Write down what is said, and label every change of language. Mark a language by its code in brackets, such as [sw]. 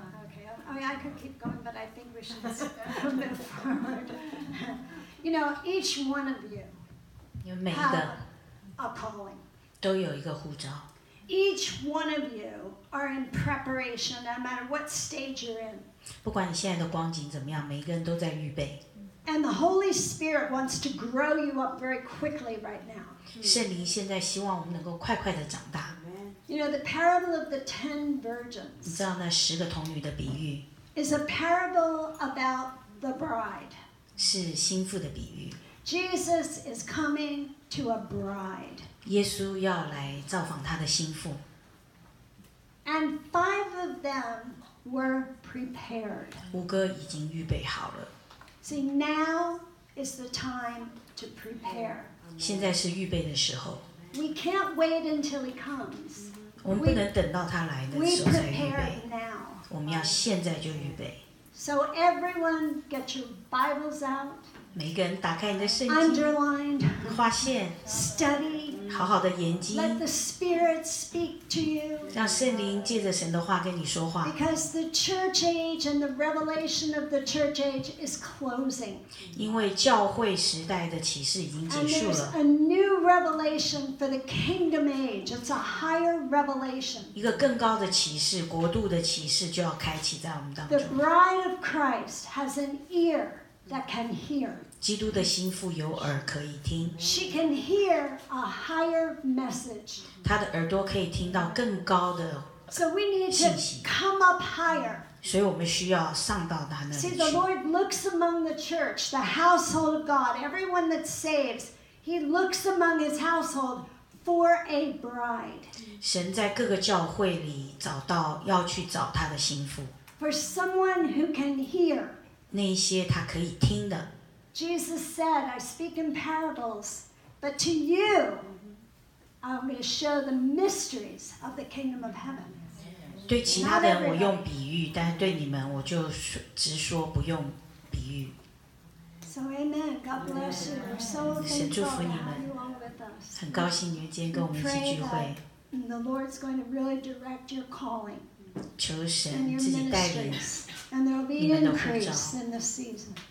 [en] Okay, I could keep going, but I think we should move forward. You know, each one of you have a calling. [zh] 都有一个护照. [en] Each one of you are in preparation, no matter what stage you're in. [zh] 不管你现在的光景怎么样，每一个人都在预备。 [en] And the Holy Spirit wants to grow you up very quickly right now. [zh] 圣灵现在希望我们能够快快的长大。 [en] You know, the parable of the 10 virgins. [zh] 你知道那十个童女的比喻。 [en] Is a parable about the bride. [zh] 是新妇的比喻。 [en] Jesus is coming to a bride. [zh] 耶稣要来造访他的新妇。 [en] And 5 of them were prepared. [zh] 五个已经预备好了。 [en] See, now is the time to prepare. [zh] 现在是预备的时候。 [en] We can't wait until he comes. [zh] 我们不能等到他来的时候才预备。 [en] We prepare now. [zh] 我们要现在就预备。 [en] So everyone, get your Bibles out. [zh] 每个人打开你的圣经。 [en] Underlined. [zh] 划线。 [en] Study. [zh] 好好的研经。 [en] Let the Spirit speak to you. [zh] 让圣灵借着神的话跟你说话。 [en] Because the church age and the revelation of the church age is closing. [zh] 因为教会时代的启示已经结束了。 [en] And there's a new revelation for the kingdom age. It's a higher revelation. [zh] 一个更高的启示，国度的启示就要开启在我们当中。 [en] The bride of Christ has an ear that can hear. [zh] 基督的心腹有耳可以听。 [en] She can hear a higher message. [zh] 她的耳朵可以听到更高的信息。 [en] So we need to come up higher. [zh] 所以我们需要上到他那里去。 [en] See, the Lord looks among the church, the household of God, everyone that saves. He looks among his household for a bride. [zh] 神在各个教会里找到要去找他的心腹。 [en] For someone who can hear. [zh] 那些他可以听的。 [en] Jesus said, "I speak in parables, but to you, I'm going to show the mysteries of the kingdom of heaven." [zh] 对其他的人我用比喻，但是对你们我就直说不用比喻。 [en] So amen. God bless you. We're so thankful to have you all with us. [zh] 很高兴你们今天跟我们一起聚会。 [en] The Lord's going to really direct your calling. [zh] 求神自己带领。 [en] And there will be increase in the season.